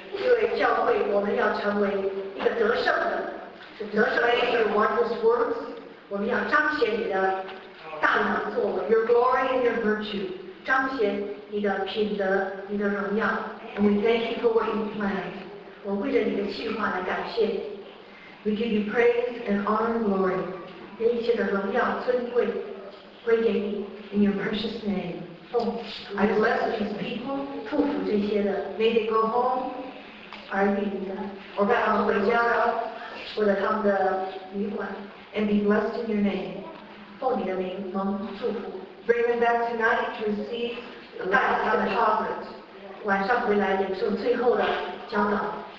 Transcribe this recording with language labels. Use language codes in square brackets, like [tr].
[zh] 因为教会我们要成为一个得胜的，是得胜的。 [en] Your wondrous works， [zh] 我们要彰显你的大能作为。 [en] Your glory and your virtue， [zh] 彰显你的品德，你的荣耀。 [en] And we thank you for what you planned， [zh] 我为着你的计划来感谢。 [en] We give you praise and honor and glory， [zh] 给一切的荣耀尊贵。 [en] In your precious name, I bless these people. [zh] 祝福这些的 [en] May they go home, [zh] 儿女的，我让他们回家了，或者他们的旅馆 [en] And be blessed in your name. [zh] 奉你的名蒙祝福 [en] Bring them back tonight to receive the last deposit. [zh] 晚上回来领受最后的教导